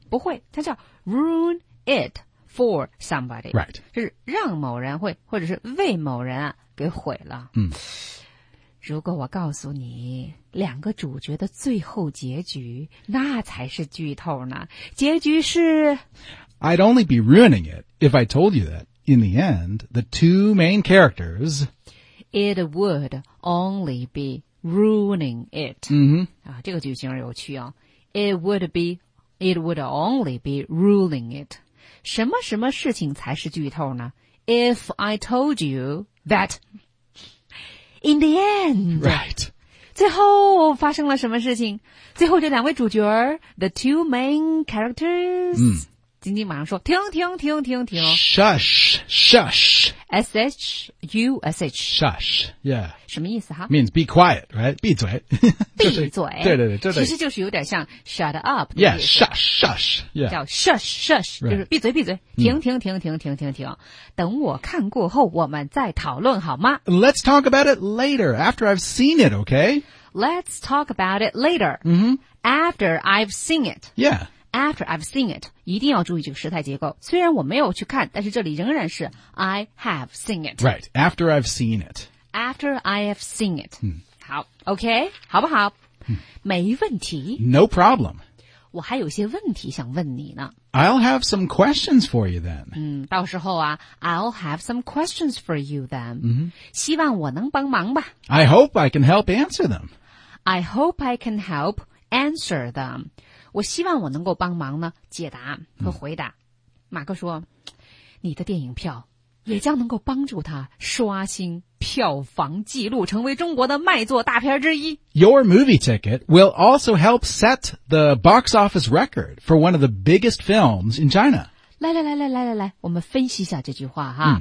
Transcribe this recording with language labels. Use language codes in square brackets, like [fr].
[zh] 不会它叫 [en] ruin it for somebody. Right. [zh] 是让某人会或者是为某人啊给毁了。嗯、mm.。如果我告诉你两个主角的最后结局那才是剧透呢。结局是。 [en] I'd only be ruining it if I told you that in the end, the two main characters, It would only be ruining it.、 Mm-hmm. 啊、 [zh] 这个句型有趣啊。 [en] It would only be ruining it. [zh] 什么什么事情才是剧透呢? [en] If I told you that in the end. Right. [zh] 最后发生了什么事情?最后这两位主角, [en] the two main characters,、 mm. [zh] 晶晶马上说停停停停停 [en] Shush Shush S-H-U-S-H Shush Yeah [zh] 什么意思哈 [en] Means be quiet right [zh] 闭嘴闭嘴对对对其实就是有点像 [en] Shut up Yeah Shush Shush Yeah [zh] 叫 [en] Shush Shush [zh] 就是闭嘴闭嘴停停停停停停停等我看过后我们再讨论好吗 [en] Let's talk about it later After I've seen it okay Let's talk about it later After I've seen it Yeah [zh] After I've seen it 一定要注意这个时态结构虽然我没有去看但是这里仍然是 [en] I have seen it Right, after I've seen it After I have seen it、嗯、 [zh] 好 OK 好不好、嗯、没问题 [en] No problem [zh] 我还有些问题想问你呢 [en] I'll have some questions for you then、嗯、 [zh] 到时候啊 [en] I'll have some questions for you then、嗯、 [zh] 希望我能帮忙吧 [en] I hope I can help answer them I hope I can help answer them [zh] 我希望我能够帮忙呢解答和回答、嗯、马克说你的电影票也将能够帮助他刷新票房记录成为中国的卖座大片之一 [en] Your movie ticket will also help set the box office record for one of the biggest films in China [zh] 来来来来来来来我们分析一下这句话哈、